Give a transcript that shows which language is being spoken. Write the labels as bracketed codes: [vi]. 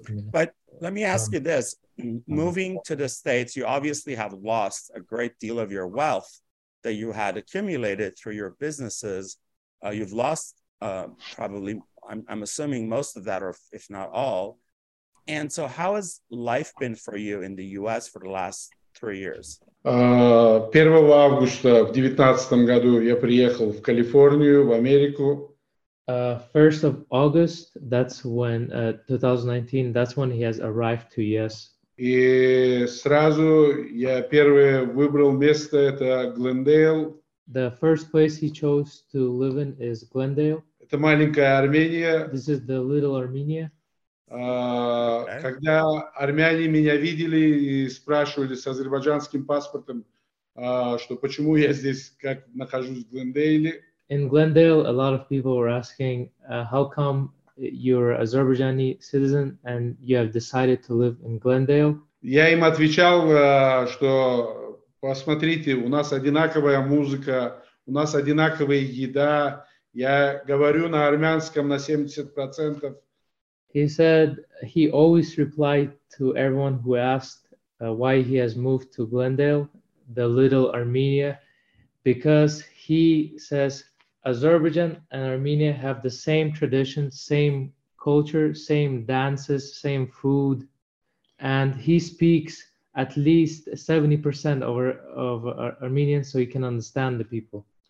[en] But let me ask you this. Moving to the States, you obviously have lost a great deal of your wealth that you had accumulated through your businesses. You've lost probably, I'm assuming, most of that, or if not all. And so how has life been for you in the U.S. for the last 3 years? [ru] 1 августа в 19 году я приехал в Калифорнию, в Америку. [en] 1st of August, that's when, 2019, that's when he has arrived to US. [ru] И сразу я первое выбрал место, это Глендейл. [en] The first place he chose to live in is Glendale. [ru] Это маленькая Армения. [en] This is the little Armenia. [ru] Когда армяне меня видели и спрашивали с азербайджанским паспортом, что почему я здесь, как нахожусь в Глендейле. [en] In Glendale, a lot of people were asking, how come you're an Azerbaijani citizen and you have decided to live in Glendale? [ru] Я им отвечал, что посмотрите, у нас одинаковая музыка, у нас одинаковая еда. Я говорю на армянском на 70%. [en] He said he always replied to everyone who asked why he has moved to Glendale, the little Armenia, because he says Azerbaijan and Armenia have the same tradition, same culture, same dances, same food, and he speaks at least 70% of Armenian, so he can understand the people.